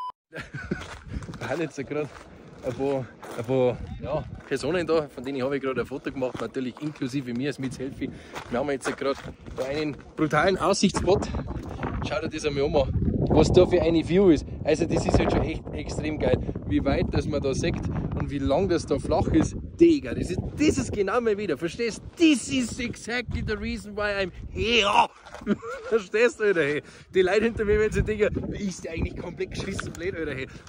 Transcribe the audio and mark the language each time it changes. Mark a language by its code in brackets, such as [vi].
[de] Da sind jetzt gerade ein paar Personen da, von denen habe ich gerade ein Foto gemacht, natürlich inklusive mir mit Selfie. Wir haben jetzt gerade einen brutalen Aussichtsspot. Schau dir das einmal an, was da für eine View ist. Also das ist halt schon echt extrem geil. Wie weit das man da sieht und wie lang das da flach ist, Digga. Das ist genau mal wieder, verstehst du? [en] This is exactly the reason why I'm here. [de] Verstehst du, Alter? Hey? Die Leute hinter mir werden sich denken, ist der eigentlich komplett geschissen blöd, Alter? Hey?